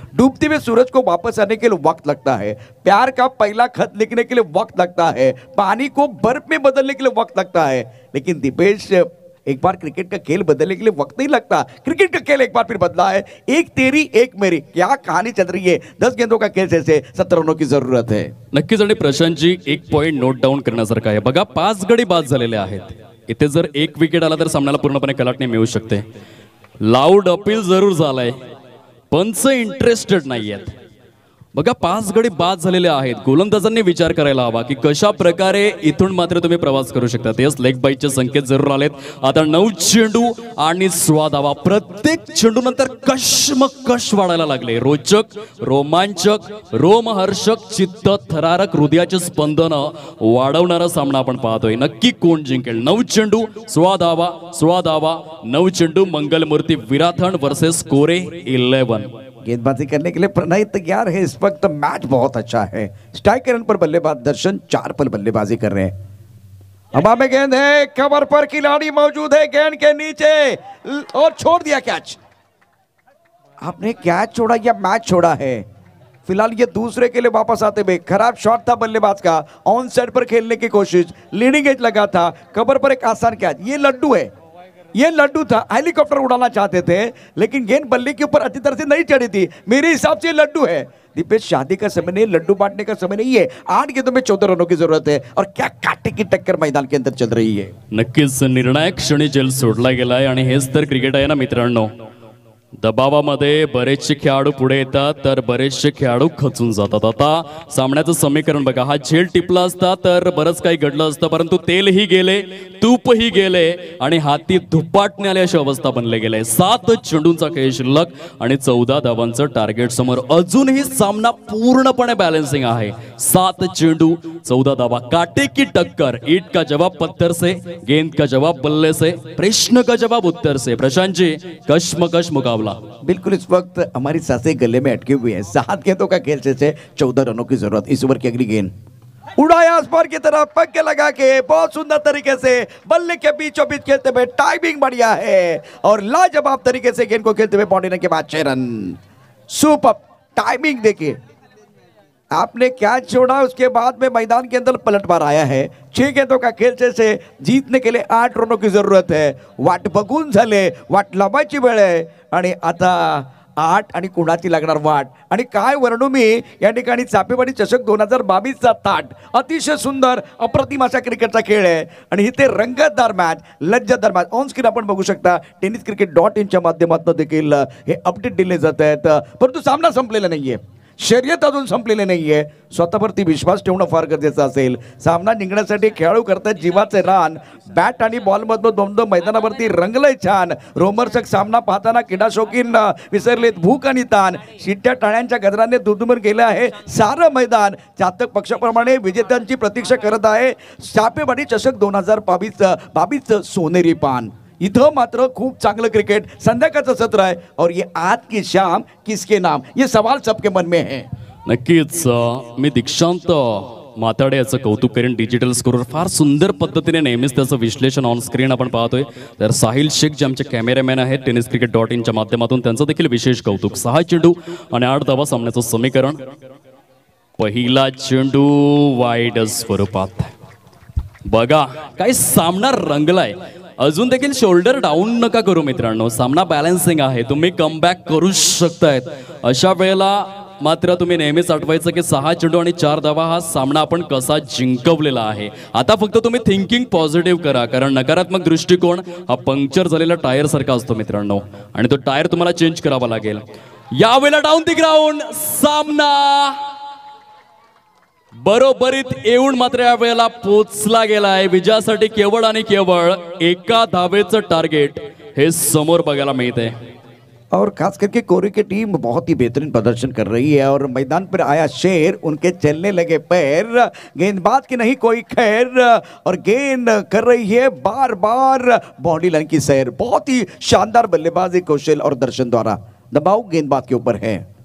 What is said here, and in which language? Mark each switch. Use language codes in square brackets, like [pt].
[hi] डूबते हुए सूरज को वापस आने के लिए वक्त लगता है, प्यार का पहला खत लिखने के लिए वक्त लगता है, पानी को बर्फ में बदलने के लिए वक्त लगता है, लेकिन दीपेश एक बार क्रिकेट का खेल बदलने के लिए वक्त नहीं लगता। क्रिकेट का खेल एक बार फिर बदला है, एक तेरी एक मेरी, क्या कहानी चल रही है। 10 गेंदों का खेल से 17 रनों की जरूरत है। [mr] नक्कीच आणि प्रशांत जी एक पॉइंट नोट डाउन करण्यासारखा आहे। बघा 5 गडी बाद झालेले आहेत, इथे जर एक विकेट आला तर सामन्याला पूर्णपणे कलाटणी मिळू शकते। लाऊड अपील जरूर झालाय, पंच इंटरेस्टेड नाहीयेत। बघा 5 गडी बाद झालेले आहेत, गोलंदाजांनी विचार करायला हवा की कशा प्रकारे इथून मात्र तुम्ही प्रवास करू शकता। येस, लेग बाईचे संकेत जरूर आलेत। आता 9 चेंडू आणि 16 धावा, प्रत्येक चेंडू नंतर कशमकश वाढायला लागले। रोचक, रोमांचक, रोमहर्षक, चित्त थरारक, हृदयाचे स्पंदन वाढवणारा सामना आपण पाहतोय। नक्की कोण जिंकेल? 9 चेंडू 16 धावा, 16 धावा 9 चेंडू, मंगलमूर्ती विराथन वर्सेस कोरे 11। [hi] गेंदबाजी करने के लिए प्रणय तैयार है। इस वक्त मैच बहुत अच्छा है, स्ट्राइक रन पर बल्लेबाज, दर्शन 4 पर बल्लेबाजी कर रहे हैं। हवा में गेंद है, कवर पर खिलाड़ी मौजूद है, गेंद के नीचे और छोड़ दिया कैच। आपने कैच छोड़ा या मैच छोड़ा है? फिलहाल ये दूसरे के लिए वापस आते हुए, खराब शॉट था बल्लेबाज का, ऑन साइड पर खेलने की कोशिश, लीडिंग एज लगा था, कवर पर एक आसान कैच। ये लड्डू है, ये लड्डू था, हेलीकॉप्टर उड़ाना चाहते थे, लेकिन गेंद बल्ले के ऊपर अच्छी तरह से नहीं चढ़ी थी। मेरे हिसाब से लड्डू है, दीपेश शादी का समय नहीं, लड्डू बांटने का समय नहीं है। 8 गेंदों में 14 रनों की जरूरत है और क्या कांटे की टक्कर मैदान के अंदर चल रही है। [mr] नक्कीच निर्णायक क्षणी जेल सोडला गेलाय आणि हेच तर क्रिकेट आहे ना मित्रांनो। दबावामध्ये बरेचसे खेळाडू पुढे येतात तर बरेचसे खेळाडू खचून जातात। आता सामन्याचं समीकरण बघा, हा झेल टिपला असता तर बरंच काही घडलं असतं, परंतु तेलही गेले, तूपही गेले आणि हाती धुपाटणे आले अशी अवस्था बनले गेले। 7 चेंडूंचा खेळ शिल्लक आणि 14 धावांचं टार्गेट समोर, अजूनही सामना पूर्णपणे बॅलन्सिंग आहे। 7 चेंडू 14 धावा, [hi] काटे की टक्कर, इट का जवाब पत्थर से, गेंद का जवाब बल्ले से, प्रश्न का जवाब उत्तर से। [mr] प्रशांत जी कशमकश मुकाबला। [hi] बिल्कुल, इस वक्त हमारी सांसें गले में अटकी हुई है। 7 गेंदों का खेल से 14 रनों की जरूरत। इस ओवर की अगली गेंद उड़ाया आसमान की तरफ, पक्के लगा के बहुत सुंदर तरीके से बल्ले के बीचों बीच खेलते हुए, टाइमिंग बढ़िया है और लाजवाब तरीके से गेंद को खेलते हुए, पॉइंट के बाद 6 रन, सुपर टाइमिंग देखिए। आपने कैच छोड़ा, उसके बाद में मैदान के अंदर पलटवार आया है। 6 गेंदों का खेल जैसे जीतने के लिए 8 रनों की जरूरत है। [mr] वाट बघून झाले, वाट लावायची वेळ आहे, आणि आता 8 आणि कुणाची लागणार वाट, आणि काय वर्णू मी या ठिकाणी चापेवाडी चषक 2022 चा ताट। अतिशय सुंदर अप्रतिम अशा क्रिकेटचा खेळ आहे, आणि इथे रंगतदार मॅच, लज्जतदार मॅच ऑन स्क्रीन आपण बघू शकता। टेनिस क्रिकेट .in च्या माध्यमातून देखील हे अपडेट दिले जात आहेत, परंतु सामना संपलेला नाहीये, शर्यत अजून संपलेली नाहीये। स्वतःवरती विश्वास ठेवणं फार गरजेचं असेल। सामना जिंकण्यासाठी खेळाडू करतात जीवाचे रान, बॅट आणि बॉलमधून दोनदो मैदानावरती रंगलंय छान। रोमर्षक सामना पाहताना किडा शौकीन विसरलेत भूक आणि ताण, शिट्ट्या टाळ्यांच्या गजराने दुदुमर गेले आहे सारं मैदान। चातक पक्षाप्रमाणे विजेत्यांची प्रतीक्षा करत आहे चापेवाडी चषक 2022 सोनेरी पान। इथं मात्र खूप चांगलं क्रिकेट, संध्याकाळचं सत्र आहे, [hi] और ये आज की शाम किसके नाम, ये सवाल सबके मन में है। [mr] नक्कीच, मी दीक्षांत माताडे याचं कौतुक करेन। डिजिटल स्कोर फार सुंदर पद्धतीने नेहमीच त्याचं विश्लेषण ऑन स्क्रीन आपण पाहतोय। तर साहिल शेख जे आमचे कॅमेरामॅन आहेत टेनिस क्रिकेट .in च्या माध्यमातून, त्यांचं देखील विशेष कौतुक। 6 चेंडू आणि 8 धावा, सामन्याचं समीकरण। पहिला चेंडू वाईड स्वरूपात, बघा काय सामना रंगलाय। अजून देखील शोल्डर डाऊन नका करू मित्रांनो, सामना बॅलेन्सिंग आहे, तुम्ही कम बॅक करू शकतायत। अशा वेळेला मात्र तुम्ही नेहमीच आठवायचं की 6 चेंडू आणि 4 धावा हा सामना आपण कसा जिंकवलेला आहे। आता फक्त तुम्ही थिंकिंग पॉझिटिव्ह करा, कारण नकारात्मक दृष्टिकोन हा पंक्चर झालेला टायर सारखा असतो मित्रांनो, आणि तो टायर तुम्हाला चेंज करावा लागेल। या वेळेला डाऊन द ग्राउंड, सामना बरोबरीत येऊन मात्र या वेळेला पोचला गेलाय। विजयासाठी केवळ आणि केवळ 1 धावेचं टार्गेट हे समोर बघायला मिळते। [hi] और खास करके कोरी की टीम बहुत ही बेहतरीन प्रदर्शन कर रही है, और मैदान पर आया शेर, उनके चलने लगे पैर, गेंदबाज की नहीं कोई खैर, और गेंद कर रही है बार बार बॉडी लाइन की सैर। बहुत ही शानदार बल्लेबाजी कौशल और दर्शन द्वारा दबाव गेंदबाज के ऊपर है।